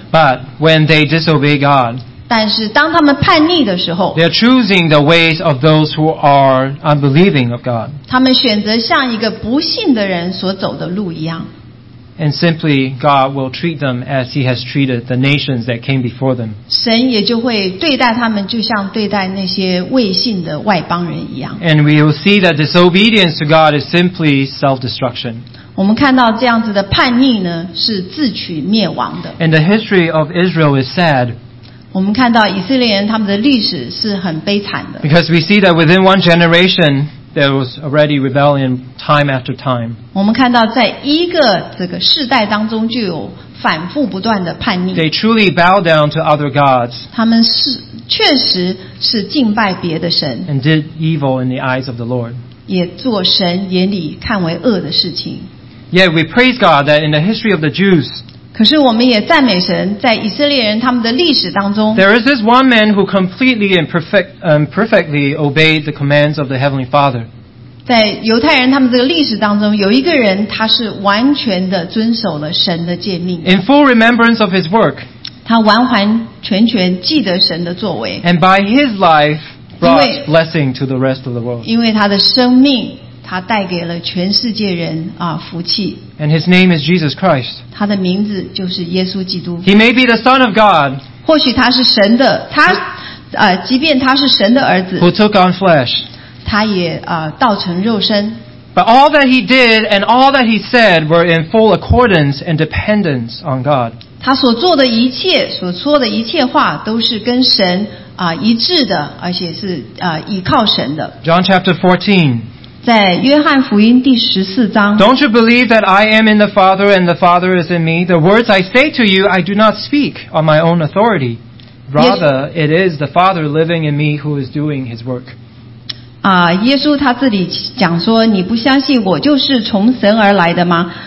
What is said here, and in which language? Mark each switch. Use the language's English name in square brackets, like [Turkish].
[English] But when they disobey God, [Chinese] 但是当他们叛逆的时候 [English] they are choosing the ways of those who are unbelieving of God. [Chinese] 他们选择像一个不信的人所走的路一样。 [English] And simply, God will treat them as He has treated the nations that came before them. [Chinese] 神也就会对待他们，就像对待那些未信的外邦人一样。 [English] And we will see that disobedience to God is simply self-destruction. [Chinese] 我们看到这样子的叛逆呢，是自取灭亡的。 [English] And the history of Israel is sad. [Chinese] 我们看到以色列人他们的历史是很悲惨的。 [English] Because we see that within one generation,There was already rebellion time after time. [Chinese] 我们看到在一个这个世代当中就有反复不断的叛逆。 [English] They truly bow down to other gods. [Chinese] 他们是确实是敬拜别的神。 [English] And did evil in the eyes of the Lord. [Chinese] 也做神眼里看为恶的事情。 [English] Yet we praise God that in the history of the Jews. [Chinese] 可是我们也赞美神，在以色列人他们的历史当中。 [English] There is this one man who completely and perfectly obeyed the commands of the Heavenly Father. [Chinese] 在犹太人他们这个历史当中，有一个人他是完全的遵守了神的诫命。 [English] In full remembrance of his work， [Chinese] 他完完全全记得神的作为。 [English] And by his life brought blessing to the rest of the world， [Chinese] 因为他的生命，他带给了全世界人啊福气。 [English] And his name is Jesus Christ， [Chinese] 他的名字就是耶稣基督。 [English] He may be the Son of God， [Chinese] 或许他是神的，他即便他是神的儿子。 [English] Who took on flesh。 [Chinese] 他也道成肉身。 [English] But all that he did and all that he said were in full accordance and dependence on God. [Chinese] 他所做的一切，所说的一切话，都是跟神一致的，而且是依靠神的。 [English] John chapter 14. [Chinese] 在约翰福音第十四章。 [English] Don't you believe that I am in the Father and the Father is in me? The words I say to you, I do not speak on my own authority. Rather, it is the Father living in me who is doing his work. [Chinese] 耶稣他这里讲说，你不相信我就是从神而来的吗？